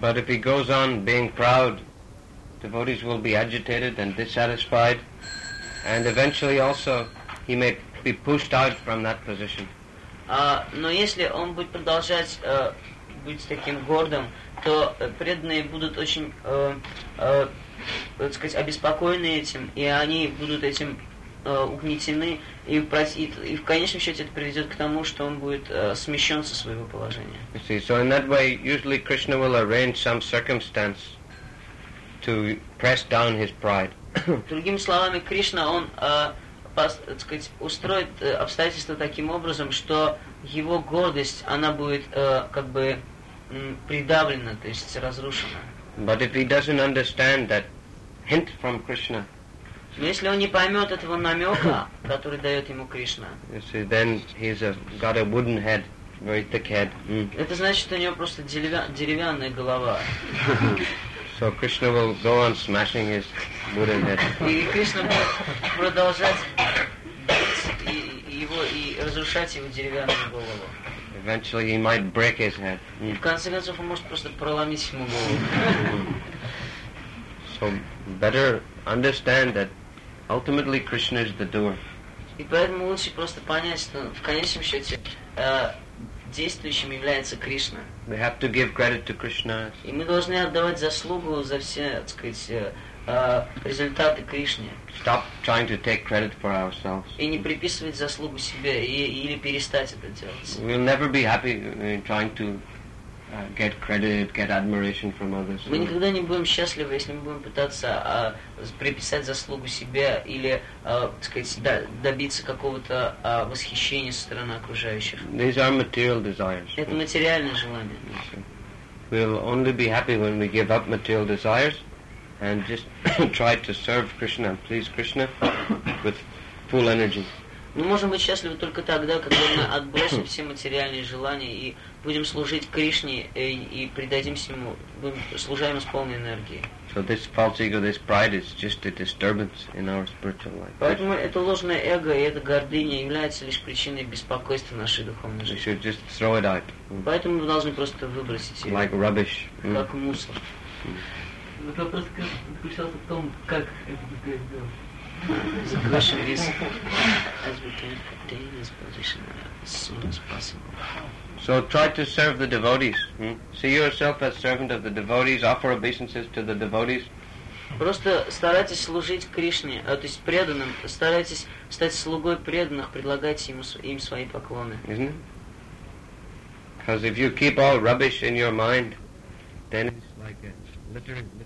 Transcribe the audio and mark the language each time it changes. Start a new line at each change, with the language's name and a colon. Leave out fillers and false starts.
English: But if he goes on being proud, devotees will be agitated and dissatisfied, and eventually also he may be pushed out from that position.
Russian: Но если он будет продолжать быть таким гордым, то преданные будут очень, так сказать, обеспокоены этим, и они будут этим угнетены, и в конечном счете это приведет к тому, что он будет смещен со своего положения.
English: You see, so in that way, usually Krishna will arrange some circumstance to press down his pride.
Russian: Другими словами, Кришна, он, так сказать, устроит обстоятельства таким образом, что его гордость, она будет как бы придавлена, то есть разрушена.
English: But if he doesn't understand that hint from Krishna,
Russian: но если он не поймет этого намека, который дает ему Кришна,
English: see, then he's got a wooden head, very thick head.
Russian: Это значит, что у него просто деревянная голова.
English: So Krishna will go on smashing his wooden head.
Russian: И Кришна будет продолжать бить его и разрушать его деревянную голову.
English: Eventually he might break his head.
Russian: В конце концов, он может просто проломить ему голову.
English: So better understand that ultimately Krishna is the doer.
Russian: И поэтому лучше просто понять, что в конечном счете действующим является Кришна.
English: We have to give credit to Krishna.
Russian: И мы должны отдавать заслугу за все, так сказать, результаты Кришне.
English: Stop trying to take credit for ourselves.
Russian: И не приписывать заслугу себе, или перестать это делать.
English: We'll never be happy trying to get credit, get admiration from others.
Russian: Мы никогда не будем счастливы, если мы будем пытаться приписать заслугу себе или, так сказать, добиться какого-то восхищения со стороны окружающих.
English: These are material desires.
Russian: Это материальное желание.
English: We'll only be happy when we give up material desires and just try to serve Krishna and please Krishna with full energy.
Russian: Мы можем быть счастливы только тогда, когда мы отбросим все материальные желания и будем служить Кришне и предадимся ему, будем служаем с полной энергией.
English: So this false ego, this pride is just a disturbance in our spiritual life.
Russian: Поэтому это ложное эго и эта гордыня является лишь причиной беспокойства нашей духовной жизни.
English: We should just throw it out.
Russian: Поэтому мы должны просто выбросить ее.
English: Like rubbish.
Russian: Как мусор. Вот вопрос заключался в том, как это сделать.
English: The question is, as we can attain this position as soon as possible. So try to serve the devotees. See yourself as servant of the devotees. Offer obeisances to the devotees.
Russian: Просто старайтесь служить Кришне, то есть преданным. Старайтесь стать слугой преданных. Предлагайте им свои поклоны.
English: Isn't it? Because if you keep all rubbish in your mind, then it's like a litter.